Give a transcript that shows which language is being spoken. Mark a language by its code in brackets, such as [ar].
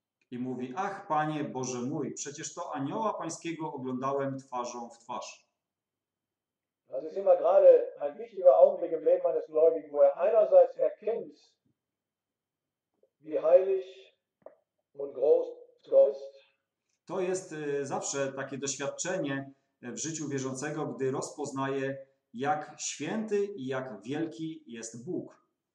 [pl] I mówi, ach Panie Boże mój, przecież to anioła pańskiego oglądałem twarzą w twarz. [de] Das ist immer gerade ein wichtiger Augenblick im Leben eines Gläubigen, wo er einerseits erkennt, wie heilig und groß Gott ist. [pl] To jest zawsze takie doświadczenie w życiu wierzącego, gdy rozpoznaje, jak święty i jak wielki jest Bóg.